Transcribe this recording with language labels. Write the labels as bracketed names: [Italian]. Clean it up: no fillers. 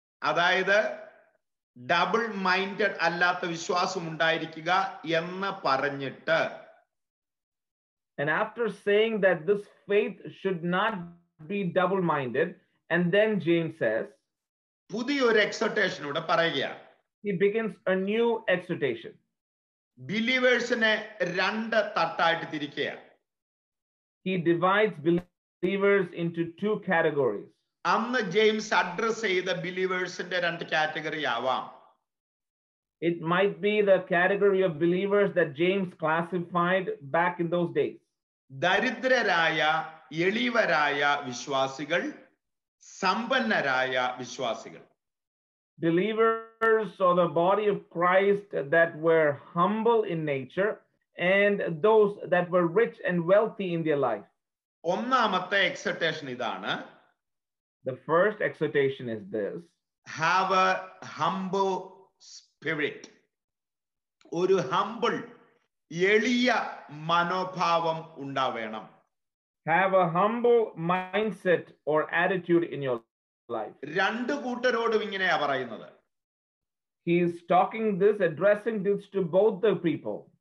[Malayalam] അതായത് double minded അല്ലാത്ത വിശ്വാസം ഉണ്ടായിരിക്കുക എന്ന് പറഞ്ഞിട്ട്. [English] And after saying that this faith should not be double minded, and then James says, [Malayalam] പുതിയൊരു എക്സോർട്ടേഷൻ ഇവിടെ പറയുകയാണ്. [English] He begins a new exhortation. [Malayalam] ബിലീവേഴ്സിനെ രണ്ട് തട്ടായിട്ട് തിരിക്കുകയാണ്. [English] He divides believers into two categories. [Malayalam] അന്ന് ജെയിംസ് അഡ്രസ് ചെയ്ത ബിലീവേഴ്സിന്റെ രണ്ട് കാറ്റഗറി ആവാം. [English] It might be the category of believers that James classified back in those days. [Malayalam] ദരിദ്രരായ എളിയവരായ വിശ്വാസികൾ, സമ്പന്നരായ വിശ്വാസികൾ. [English] Believers or the body of Christ that were humble in nature and those that were rich and wealthy in their life. [Malayalam] ഒന്നാമത്തെ എക്സർട്ടേഷൻ ഇതാണ്. [English] The first exhortation is this. Have a humble spirit. [Malayalam] ഒരു humble എളിയ മനോഭാവം ഉണ്ടാവേണം. [English] Have a humble mindset or attitude in your life. [Malayalam] രണ്ട് കൂട്ടരോടും ഇങ്ങനെയാ പറയുന്നത്. [English] He is talking this, addressing this to both the people.